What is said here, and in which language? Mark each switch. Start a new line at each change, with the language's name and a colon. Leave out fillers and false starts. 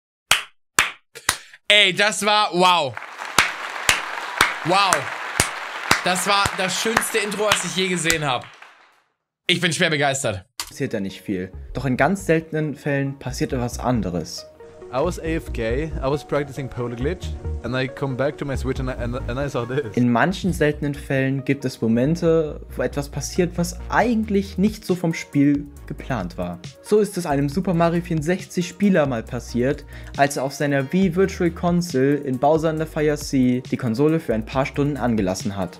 German: Ja. Ey, das war... Wow. Wow. Das war das schönste Intro, was ich je gesehen habe. Ich bin schwer begeistert. Passiert da nicht viel. Doch in ganz seltenen Fällen passiert etwas anderes.
English: I was AFK, I was practicing Polar Glitch, and I come back to my Switch and I saw this.
German: In manchen seltenen Fällen gibt es Momente, wo etwas passiert, was eigentlich nicht so vom Spiel geplant war. So ist es einem Super Mario 64 Spieler mal passiert, als er auf seiner Wii Virtual Console in Bowser in the Fire Sea die Konsole für ein paar Stunden angelassen hat.